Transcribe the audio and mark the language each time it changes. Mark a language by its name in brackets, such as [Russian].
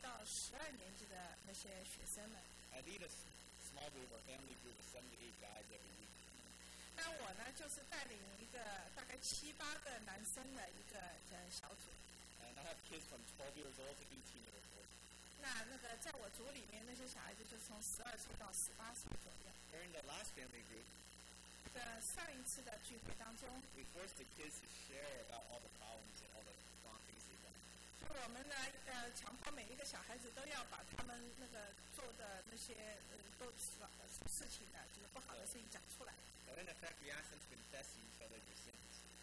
[Chinese] 那我们呢，就把那个叫就是家庭小组，是7年级到12年级的那些学生们。 [English] I lead a small group or family group of 7 to 8 guys every week. [Chinese] 那我呢，就是带领一个大概7-8个男生的一个小组。 [English] And I have kids from 12 years old to 18 years old. [Chinese] 那个在我组里面那些小孩子就从12岁到18岁左右。 [English] During the last family group, [Chinese] 在上一次的聚会当中, [English] we forced the kids to share about all the problems and all the wrong things they've done. [Chinese] 就我们呢，强迫每一个小孩子都要把他们那个做的那些都事情的，就是不好的事情讲出来。 [English] But in effect, we ask them to confess to each other your sins.